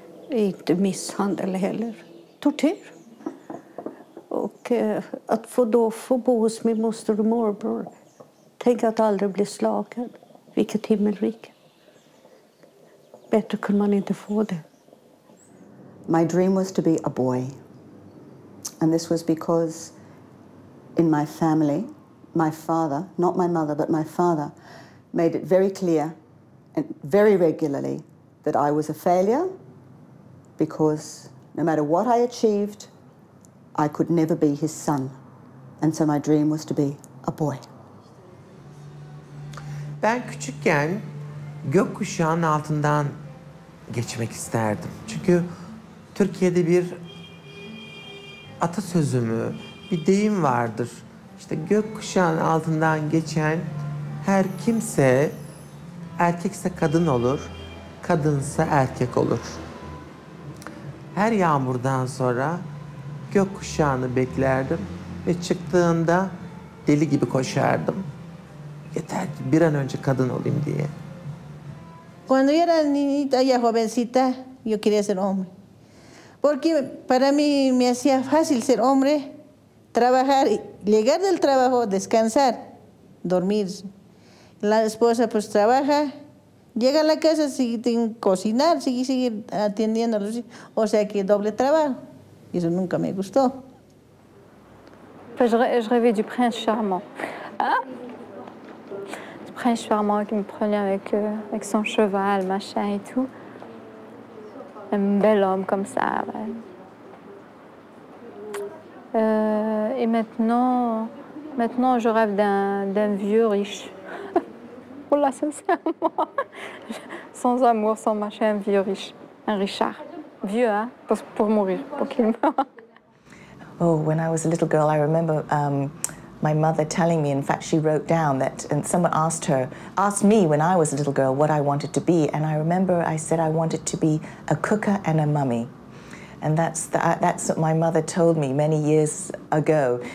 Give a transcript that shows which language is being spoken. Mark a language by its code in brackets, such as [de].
[sv] Inte misshandel heller. Tortyr. Och att få bo hos min moster och morbror. Tänk att aldrig bli slagen. Vilket himmelrike. Bättre kunde man inte få det. [en] My dream was to be a boy. And this was because in my family, my father, not my mother, but my father, made it very clear and very regularly that I was a failure because no matter what I achieved, I could never be his son. And so my dream was to be a boy. [tr] Ben küçükken gökkuşağının altından geçmek isterdim. Çünkü Türkiye'de bir atasözümü, bir deyim vardır. İşte gökkuşağının altından geçen her kimse erkekse kadın olur, kadınsa erkek olur. Her yağmurdan sonra gökkuşağını beklerdim ve çıktığında deli gibi koşardım. Yeter ki bir an önce kadın olayım diye. [es] Cuando yo era niñita ya jovencita, yo quería ser hombre. Porque para mí me hacía fácil ser hombre, trabajar, llegar del trabajo, descansar, dormir. La esposa pues trabaja, llega a la casa sin cocinar, sigue atendiendo a los hijos. O sea que doble trabajo. Y eso nunca me gustó. [fr] Pues je rêvais du prince charmant. Du prince charmant qui me prenait avec son cheval, machin et tout. Un bel homme comme ça. Ouais. Et maintenant je rêve d'un vieux riche. Oh là, sincèrement. Sans amour, sans machin, un vieux riche. Un Richard. Vieux, hein, pour mourir, pour qu'il meure. [en] Oh, when I was a little girl, I remember my mother telling me, in fact, she wrote down that, and someone asked me when I was a little girl what I wanted to be, and I remember I said I wanted to be a cooker and a mummy. And that's what my mother told me many years ago.